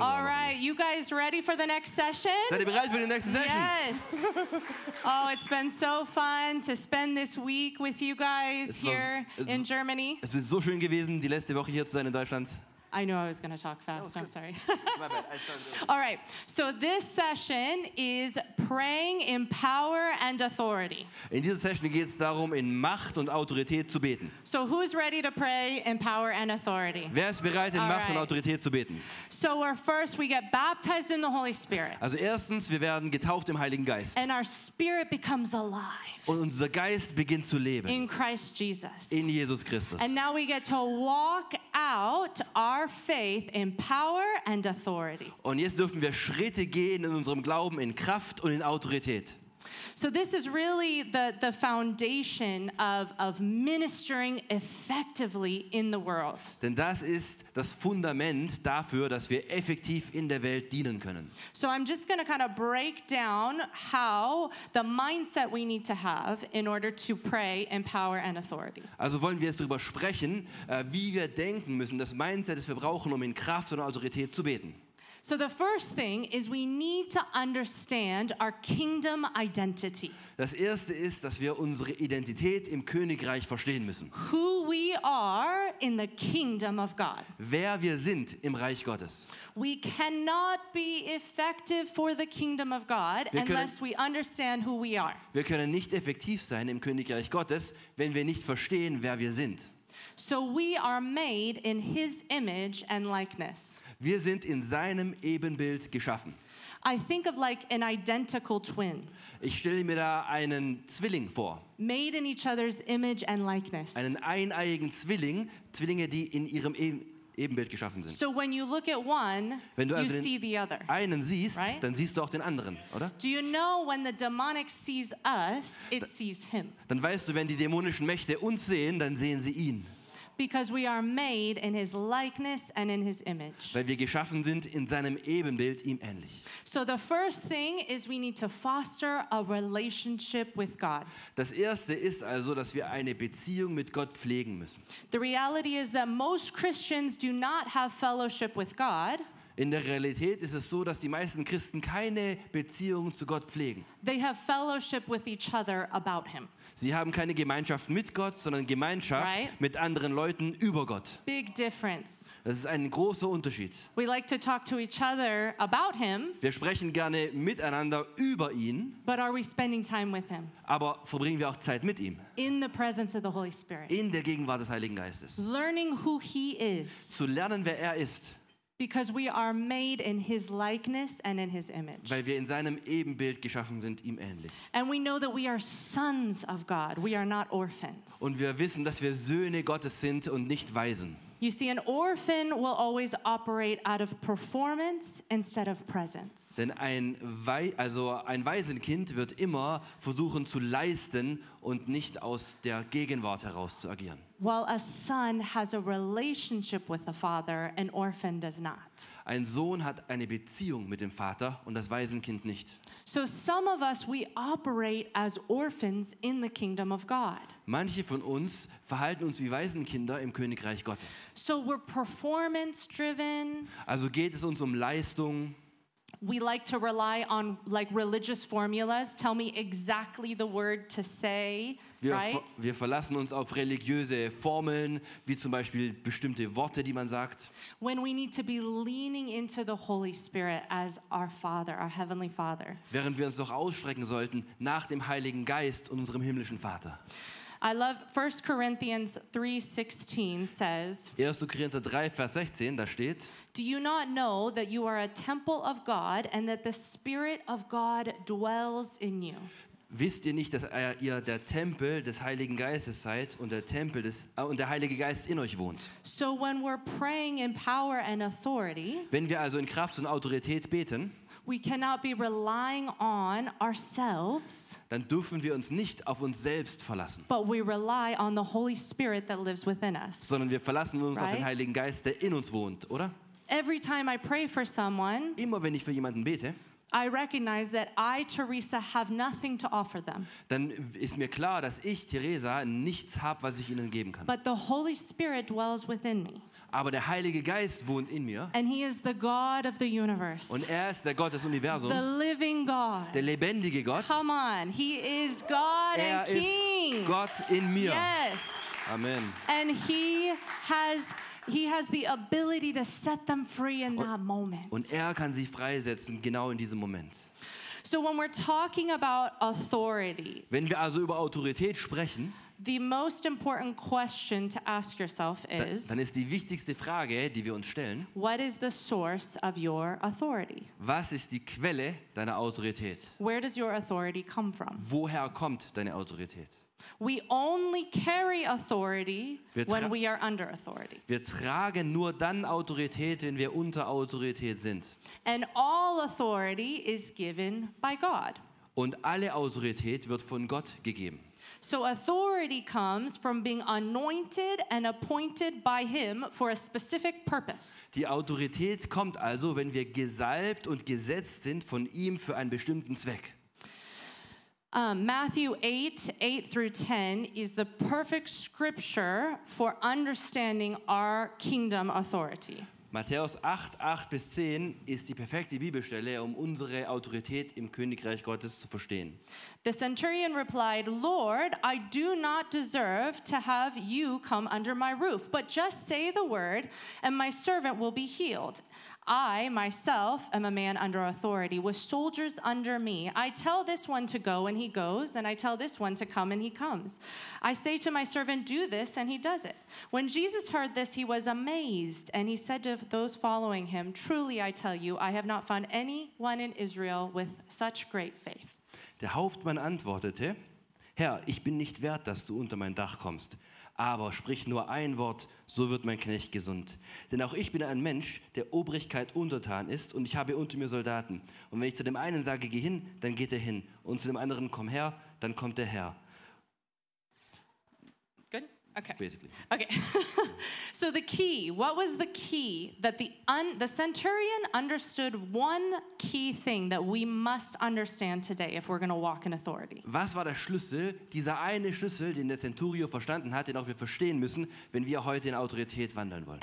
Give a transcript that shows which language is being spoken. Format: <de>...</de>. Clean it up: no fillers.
<en>All right, you guys ready for the next session?</en> <de>Seid ihr bereit für die nächste Session?</de> <en>Yes. Oh, it's been so fun to spend this week with you guys here in Germany.</en> <de>Es ist so schön gewesen, die letzte Woche hier zu sein in Deutschland.</de> <en>I knew I was going to talk fast, I'm sorry. All right, so this session is praying in power and authority.</en> <de>In dieser Session geht es darum, in Macht und Autorität zu beten.</de> <en>So who's ready to pray in power and authority?</en> <de>Wer ist bereit, in Macht und Autorität zu beten?</de> <en>So we're first, we get baptized in the Holy Spirit.</en> <de>Also erstens, wir werden getauft im Heiligen Geist.</de> <en>And our spirit becomes alive.</en> <de>Und unser Geist beginnt zu leben.</de> <en>In Christ Jesus.</en> <de>In Jesus Christus.</de> <en>And now we get to walk out our faith in power and authority.</en> <de>Und jetzt dürfen wir Schritte gehen in unserem Glauben in Kraft und in Autorität.</de> <en>So this is really the foundation of ministering effectively in the world.</en> <de>Denn das ist das Fundament dafür, dass wir effektiv in der Welt dienen können.</de> <en>So I'm just going to kind of break down how the mindset we need to have in order to pray in power and authority.</en> <de>Also wollen wir jetzt darüber sprechen, wie wir denken müssen, das Mindset, das wir brauchen, um in Kraft und Autorität zu beten.</de> <en>So the first thing is we need to understand our kingdom identity.</en> <de>Das erste ist, dass wir unsere Identität im Königreich verstehen müssen.</de> <en>Who we are in the kingdom of God.</en> <de>Wer wir sind im Reich Gottes.</de> <en>We cannot be effective for the kingdom of God unless we understand who we are.</en> <de>Wir können nicht effektiv sein im Königreich Gottes, wenn wir nicht verstehen, wer wir sind.</de> <en>So we are made in his image and likeness.</en> <de>Wir sind in seinem Ebenbild geschaffen.</de> <en>I think of like an identical twin.</en> <de>Ich stelle mir da einen Zwilling vor.</de> <en>Made in each other's image and likeness.</en> <de>Einen eineiigen Zwilling, Zwillinge, die in ihrem Ebenbild geschaffen sind.</de> <en>So when you look at one,</en> <de>wenn du</de> <en>you</en> <de>also den</de> <en>see the other.</en> <de>Einen siehst,</de> <en>right?</en> <de>Dann siehst du auch den anderen, oder?</de> <en>Do you know when the demonic sees us, it sees him.</en> <de>Dann weißt du, wenn die dämonischen Mächte uns sehen, dann sehen sie ihn.</de> <en>Because we are made in his likeness and in his image.</en> <de>Weil wir geschaffen sind in seinem Ebenbild, ihm ähnlich.</de> <en>So the first thing is we need to foster a relationship with God.</en> <de>Das erste ist also, dass wir eine Beziehung mit Gott pflegen müssen.</de> <en>The reality is that most Christians do not have fellowship with God.</en> <de>In der Realität ist es so, dass die meisten Christen keine Beziehung zu Gott pflegen.</de> <en>They have fellowship with each other about him.</en> <de>Sie haben keine Gemeinschaft mit Gott, sondern Gemeinschaft</de> <en>right?</en> <de>mit anderen Leuten über Gott.</de> <en>Big difference.</en> <de>Das ist ein großer Unterschied.</de> <en>We like to talk to each other about him.</en> <de>Wir sprechen gerne miteinander über ihn.</de> <en>But are we spending time with him?</en> <de>Aber verbringen wir auch Zeit mit ihm?</de> <en>In the presence of the Holy Spirit.</en> <de>In der Gegenwart des Heiligen Geistes.</de> <en>Learning who he is.</en> <de>Zu lernen, wer er ist.</de> <en>Because we are made in his likeness and in his image.</en> <de>Weil wir in seinem Ebenbild geschaffen sind, ihm ähnlich.</de> <en>And we know that we are sons of God. We are not orphans.</en> <de>Und wir wissen, dass wir Söhne Gottes sind und nicht Waisen.</de> <en>You see, an orphan will always operate out of performance instead of presence.</en> <de>Denn ein Waisenkind wird immer versuchen zu leisten und nicht aus der Gegenwart heraus zu agieren.</de> <en>While a son has a relationship with the father, an orphan does not.</en> <de>Ein Sohn hat eine Beziehung mit dem Vater und das Waisenkind nicht.</de> <en>So some of us, we operate as orphans in the kingdom of God.</en> <de>Manche von uns verhalten uns wie Waisenkinder im Königreich Gottes.</de> <en>So we're performance driven.</en> <de>Also geht es uns um Leistung.</de> <en>We like to rely on like religious formulas. Tell me exactly the word to say, right?</en> <de>Wir verlassen uns auf religiöse Formeln, wie zum Beispiel bestimmte Worte, die man sagt.</de> <en>When we need to be leaning into the Holy Spirit as our Father, our Heavenly Father.</en> <de>Während wir uns doch ausstrecken sollten nach dem Heiligen Geist, unserem himmlischen Vater.</de> <en>I love 1 Corinthians 3:16 says.</en> <de>1. Korinther 3 Vers 16, da steht.</de> <en>Do you not know that you are a temple of God and that the Spirit of God dwells in you?</en> <de>Wisst ihr nicht, dass ihr der Tempel des Heiligen Geistes seid und der Heilige Geist in euch wohnt?</de> <en>So when we're praying in power and authority,</en> <de>wenn wir also in Kraft und Autorität beten,</de> <en>we cannot be relying on ourselves.</en> <de>Dann dürfen wir uns nicht auf uns selbst verlassen.</de> <en>But we rely on the Holy Spirit that lives within us.</en> <de>Sondern wir verlassen uns auf den Heiligen Geist, der in uns wohnt, oder?</de> <en>Every time I pray for someone,</en> <de>immer wenn ich für jemanden bete,</de> <en>I recognize that I, Teresa, have nothing to offer them.</en> <de>Dann ist mir klar, dass ich, Teresa, nichts habe, was ich ihnen geben kann.</de> <en>But the Holy Spirit dwells within me.</en> <de>Aber der Heilige Geist wohnt in mir.</de> <en>And he is the God of the universe.</en> <de>Und er ist der Gott des Universums.</de> <en>The living God.</en> <de>Der lebendige Gott.</de> <en>Come on, he is God</en> <de>er</de> <en>and King.</en> <de>Ist Gott in mir.</de> <en>Yes. Amen. And he has the ability to set them free in that moment.</en> <de>Und er kann sie freisetzen genau in diesem Moment.</de> <en>So when we're talking about authority.</en> <de>Wenn wir also über Autorität sprechen,</de> <en>the most important question to ask yourself is,</en> <de>dann ist die wichtigste Frage, die wir uns stellen,</de> <en>what is the source of your authority?</en> <de>Was ist die Quelle deiner Autorität?</de> <en>Where does your authority come from?</en> <de>Woher kommt deine Autorität?</de> <en>We only carry authority when we are under authority.</en> <de>Wir tragen nur dann Autorität, wenn wir unter Autorität sind.</de> <en>And all authority is given by God.</en> <de>Und alle Autorität wird von Gott gegeben.</de> <en>So authority comes from being anointed and appointed by him for a specific purpose.</en> <de>Die Autorität kommt also, wenn wir gesalbt und gesetzt sind von ihm für einen bestimmten Zweck.</de> <en>Matthew 8:8 through 10 is the perfect scripture for understanding our kingdom authority.</en> <de>Matthäus 8:8 bis 10 ist die perfekte Bibelstelle, um unsere Autorität im Königreich Gottes zu verstehen.</de> <en>The centurion replied, "Lord, I do not deserve to have you come under my roof, but just say the word and my servant will be healed. I myself am a man under authority with soldiers under me. I tell this one to go and he goes, and I tell this one to come and he comes. I say to my servant, do this, and he does it." When Jesus heard this, he was amazed, and he said to those following him, "Truly I tell you, I have not found anyone in Israel with such great faith."</en> <de>Der Hauptmann antwortete, "Herr, ich bin nicht wert, dass du unter mein Dach kommst. Aber sprich nur ein Wort, so wird mein Knecht gesund. Denn auch ich bin ein Mensch, der Obrigkeit untertan ist, und ich habe unter mir Soldaten. Und wenn ich zu dem einen sage, geh hin, dann geht er hin. Und zu dem anderen, komm her, dann kommt der Herr."</de> <en>Good? Okay. Basically. Okay. So the key, what was the key that the centurion understood? One key thing that we must understand today if we're going to walk in authority.</en> <de>Was war der Schlüssel, dieser eine Schlüssel, den der Centurio verstanden hat, den auch wir verstehen müssen, wenn wir heute in Autorität wandeln wollen?</de>